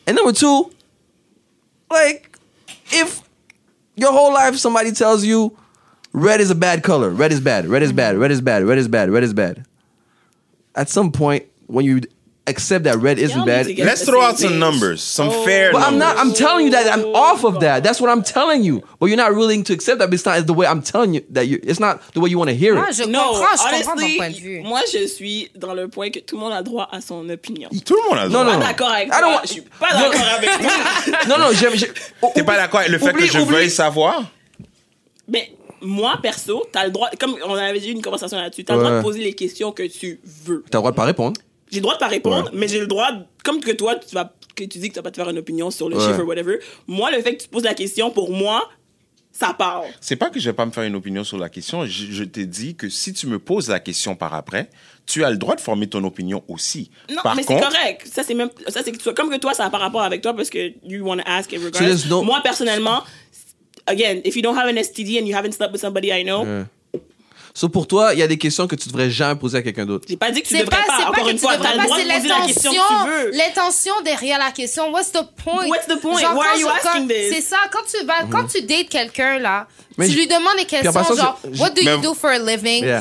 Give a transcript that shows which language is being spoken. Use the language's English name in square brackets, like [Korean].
[English] And number two, like, if your whole life somebody tells you red is a bad color, red is bad, red is bad, red is bad, red is bad, red is bad. At some point, when you accept that red isn't bad... Let's throw out some numbers, fair numbers. But I'm telling you that I'm off of that. That's what I'm telling you. But you're not willing to accept that. It's not the way I'm telling you. It's not the way you want to hear it. [French] Moi, je suis dans le point que tout le monde a droit à son opinion. Tout le monde a droit. Non. Je suis pas d'accord avec toi. Non, j'aime... T'es pas d'accord avec le fait que je veuille savoir? Mais... Moi, perso, t'as le droit, comme on avait eu une conversation là-dessus, t'as le droit de poser les questions que tu veux. T'as le droit de pas répondre. J'ai le droit de pas répondre, mais j'ai le droit, comme que toi, tu dis que t'as pas de faire une opinion sur le chiffre ou whatever. Moi, le fait que tu poses la question, pour moi, ça part. C'est pas que je vais pas me faire une opinion sur la question. Je t'ai dit que si tu me poses la question par après, tu as le droit de former ton opinion aussi. Non, par mais contre, c'est correct. Ça, c'est comme que toi, ça a pas rapport avec toi parce que [English] you want to ask everybody. [French] Moi, personnellement, [English] again, if you don't have an STD and you haven't slept with somebody I know. [French] So pour toi, il y a des questions que tu devrais jamais poser à quelqu'un d'autre. J'ai pas dit que tu devrais pas encore une fois, tu as le droit de poser la question que tu veux. L'intention derrière la question, [English] what's the point? [French] Genre, [English] why are you asking this? [French] C'est ça, quand tu dates quelqu'un là, mais tu lui demandes des questions genre [English] what do you do for a living?